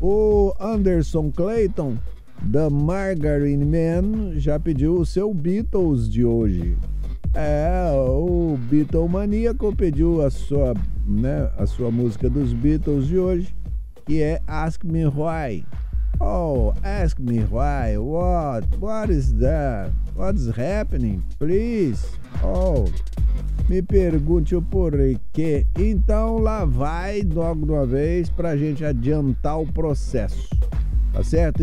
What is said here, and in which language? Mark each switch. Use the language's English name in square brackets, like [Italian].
[Portuguese] O Anderson Clayton, da Margarine Man, já pediu o seu Beatles de hoje. O Beatle Maníaco pediu a sua música dos Beatles de hoje, que é Ask Me Why. [English] Ask me why, what is that, what's happening, please, [Portuguese] me pergunte o porquê. Então lá vai logo de uma vez pra gente adiantar o processo, tá certo?